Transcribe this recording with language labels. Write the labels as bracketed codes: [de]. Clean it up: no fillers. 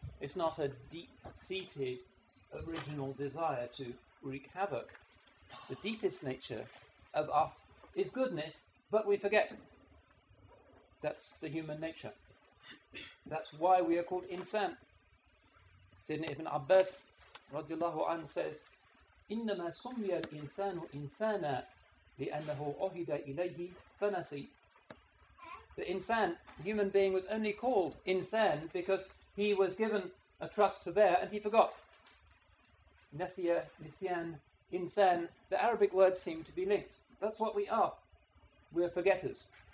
[en] It's not a deep-seated original desire to wreak havoc. The deepest nature of us is goodness, but we forget. That's the human nature. That's why we are called insan. Sayyidina Ibn Abbas radiallahu anhu says, [ar] إِنَّمَا سُمِّيَ الْإِنسَانُ إِنسَانًا لِأَنَّهُ أُهِدَ إِلَيْهِ فَنَسِي. [en] The insan, the human being, was only called insan because he was given a trust to bear and he forgot. Nasiya, nisyan, insan, the Arabic words seem to be linked. That's what we are. We are forgetters.